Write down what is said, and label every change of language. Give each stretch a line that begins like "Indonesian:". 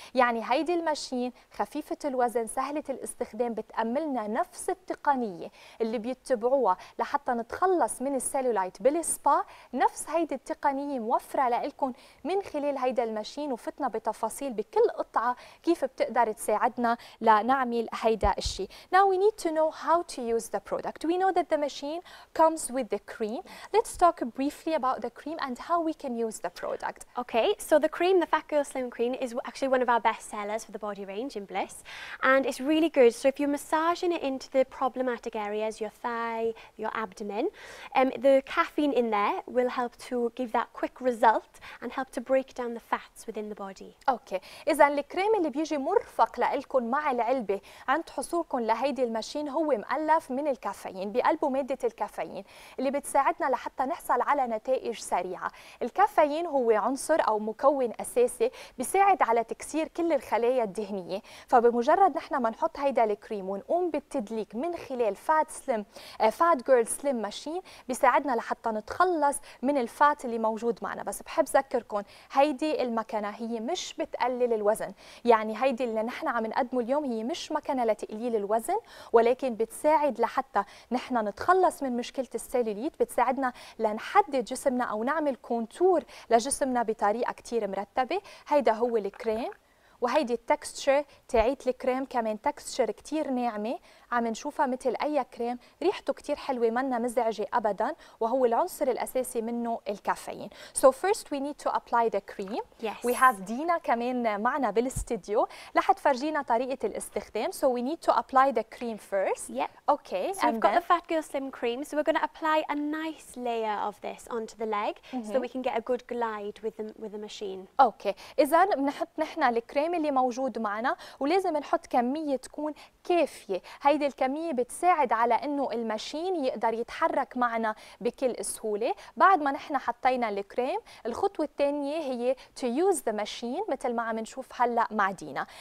Arabic: يعني هيدي المشين خفيفه الوزن، سهله الاستخدام، بتأملنا نفس التقنيه اللي بيتبعوها لحتى نتخلص من السيلولايت بالسبا، نفس هيدي التقنيه موفره لكم من خلال هيدا المشين. وفتنا بتفاصيل بكل قطعه كيف بتقدر تساعدنا لنعمل هيدا الشيء.
English: Now we need to know how to use the product. We know that the machine comes with the cream. Let's talk briefly about the cream and how we can use the product. Okay, so the cream, the Fat Girl Slim Cream, is actually one of our best sellers for the body range in Bliss, and it's really good. So if you're massaging it into the problematic areas, your thigh, your abdomen, the caffeine in there will help to give that quick result and help to break down the fats within the body.
Arabic: Okay, إذا الكريم اللي بيجي مرفق لكم مع العلبة عند حصولكم لهيدي المشين هو مؤلف من الكافيين، بقلبه مادة الكافيين اللي بتساعدنا لحتى نحصل على نتائج سريعة. الكافيين هو عنصر أو مكون أساسي بيساعد على تكسير كل الخلايا الدهنية، فبمجرد نحن ما نحط هيدا الكريم ونقوم بالتدليك من خلال فات جيرل سليم ماشين بيساعدنا لحتى نتخلص من الفات اللي موجود معنا. بس بحب ذكركم هيدي المكنة هي مش بتقلل الوزن، يعني هيدي اللي نحن عم نقدمه اليوم هي مش مكنة لتقليل الوزن، ولكن بتساعد لحتى نحن نتخلص من مشكلة السيلوليت، بتساعدنا لنحدد جسمنا أو نعمل كونتور لجسمنا بطريقة كتير مرتبة. هيدا هو الكريم، وهيدي التكستشر تاعت الكريم كمان تكستشر كتير ناعمة، عم نشوفها مثل أي كريم، ريحته كتير حلوة، منا مزعجة أبدا، وهو العنصر الأساسي منه الكافيين.
English: So first we need to apply the cream. Yes. We have Dina
Arabic: كمان معنا بالاستديو لح تفرجينا طريقة الاستخدام.
English: So we need to apply the cream first. Yep. Okay. So we've got the Fat Girl Slim Cream. So we're going to apply a nice layer of this onto the leg so we can get a good glide with the machine. Okay.
Arabic: إذا بنحط نحن الكريم اللي موجود معنا، ولازم نحط كمية تكون كافية. هيدي الكمية بتساعد على انه المشين يقدر يتحرك معنا بكل سهولة. بعد ما نحن حطينا الكريم، الخطوة الثانية هي
English: to use the machine
Arabic: مثل ما عم نشوف هلا مع دينا.